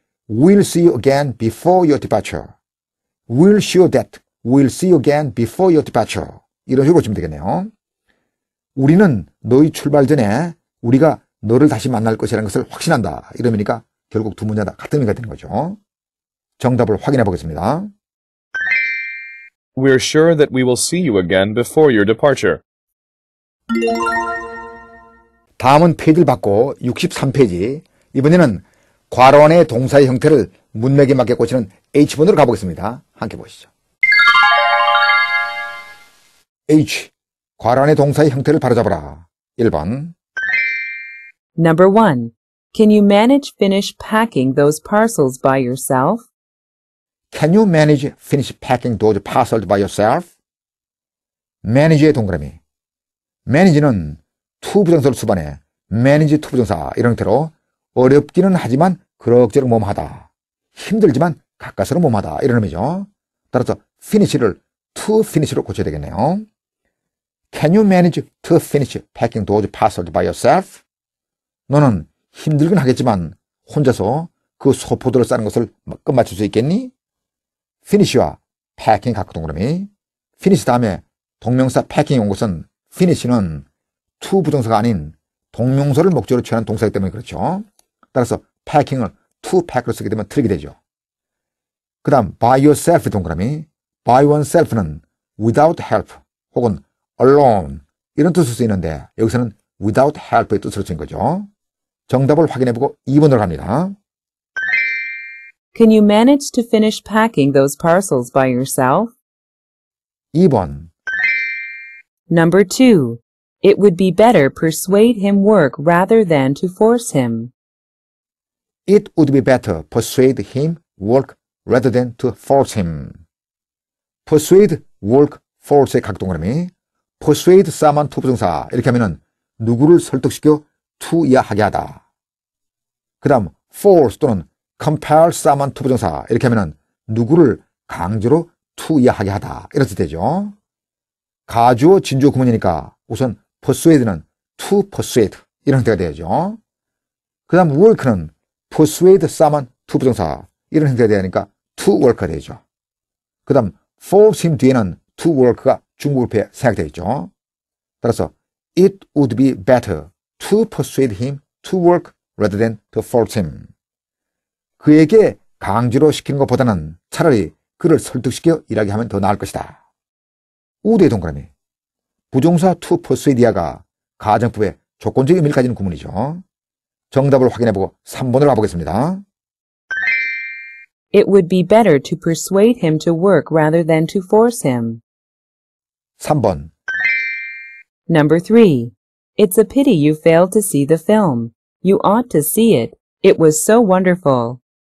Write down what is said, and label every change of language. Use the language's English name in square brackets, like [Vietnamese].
[English] will see you again before your departure. will show that. will see you again before your departure. [Korean] 이런 식으로 고치면 되겠네요. 우리는 너의 출발 전에 우리가 너를 다시 만날 것이라는 것을 확신한다. 이러니까 결국 두 문장 다 같은 의미가 되는 거죠. 정답을 확인해 보겠습니다. [English] We're sure that we will see you again before your departure. [Korean] 다음은 페이지를 받고 63페이지. 이번에는 괄호 안의 동사의 형태를 문맥에 맞게 고치는 H번으로 가보겠습니다. 함께 보시죠. [English] H. [Korean] 괄호 안의 동사의 형태를 바로잡아라. 1번. [English] Number 1. Can you manage finish packing those parcels by yourself? Can you manage finish packing those parcels by yourself? [Korean] Manage의 동그라미. Manage는 to 부정사를 수반해 manage to 부정사 이런 형태로 어렵기는 하지만 그럭저럭 몸하다. 힘들지만 가까스로 몸하다. 이런 의미죠. 따라서 finish를 to finish로 고쳐야 되겠네요. [English] Can you manage to finish packing those parcels by yourself? [Korean] 너는 힘들긴 하겠지만 혼자서 그 소포들을 싸는 것을 끝마칠 수 있겠니? finish와 packing 각 동그라미. finish 다음에 동명사 packing이 온 것은 finish는 to 부정사가 아닌 동명사를 목적으로 취하는 동사이기 때문에 그렇죠. 따라서 packing을 to pack로 쓰게 되면 틀리게 되죠. 그 다음 [English] by yourself [Korean] 동그라미. [English] by oneself [Korean] 는 without help 혹은 alone 이런 뜻을 쓰이는데 여기서는 without help의 뜻으로 쓰인 거죠. 정답을 확인해보고 2번으로 갑니다. [English] Can you manage to finish packing those parcels by yourself? [Korean] 2번. [English] Number 2. It would be better persuade him work rather than to force him. It would be better persuade him work rather than to force him. [Korean] Persuade, work, force의 각 동그라미. [English] Persuade someone to [Korean] 부정사. 이렇게 하면은 누구를 설득시켜 to 이하하게 하다. 그 다음 force 또는 [English] compel someone to [Korean] 부정사 이렇게 하면 누구를 강제로 to 이하하게 하다 이런 뜻이 되죠. 가주어 진주어 구문이니까 우선 persuade는 to persuade 이런 형태가 되죠. 그 다음 work는 [English] persuade someone to [Korean] 부정사 이런 형태가 돼야 하니까 to work가 되죠. 그 다음 force him 뒤에는 to work가 중복부에 생략되어 있죠. [English] 따라서 it would be better to persuade him to work rather than to force him. [Korean] 그에게 강제로 시키는 것보다는 차라리 그를 설득시켜 일하게 하면 더 나을 것이다. 우드의 동그라미. 부정사 to persuade야가 가정법의 조건적 의미를 가진 구문이죠. 정답을 확인해보고 3번으로 가보겠습니다. [English] It would be better to persuade him to work rather than to force him. [Korean] 3번. [English] Number 3. It's a pity you failed to see the film. You ought to see it. It was so wonderful.